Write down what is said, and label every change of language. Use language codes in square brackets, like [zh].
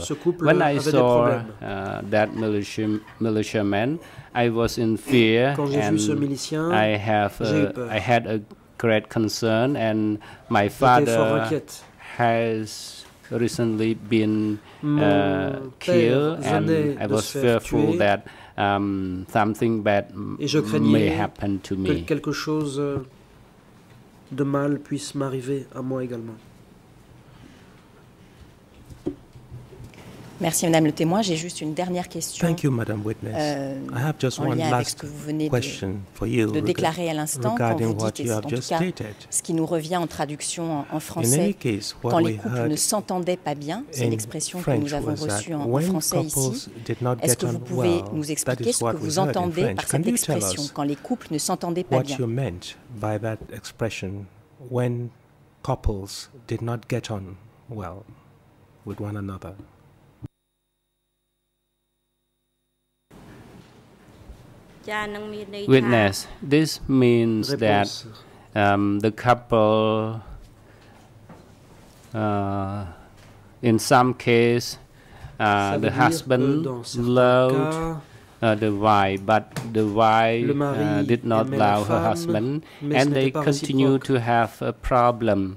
[en] When I saw that militiaman, I was in fear and I had a great concern, and my father has recently been killed, and I was fearful that something bad may happen to me. [fr] Quelque chose de mal puisse m'arriver à moi également. Merci, Madame le témoin. J'ai juste une dernière question. [en] Thank you, Madame witness. I have just one last question for you. [fr] De déclarer à l'instant quand vous dites, en tout cas, ce qui nous revient en traduction en français, [en] case, [fr] quand les couples ne s'entendaient pas bien, c'est l'expression que nous avons reçue en français ici. Est-ce que vous pouvez nous expliquer ce que vous entendez par cette expression, quand les couples ne s'entendaient pas bien? [en] What you meant by that expression when couples did not get on well with one another? Witness, this means that the couple in some case the husband loved the wife, but the wife did not love her husband, and they continue to have a problem,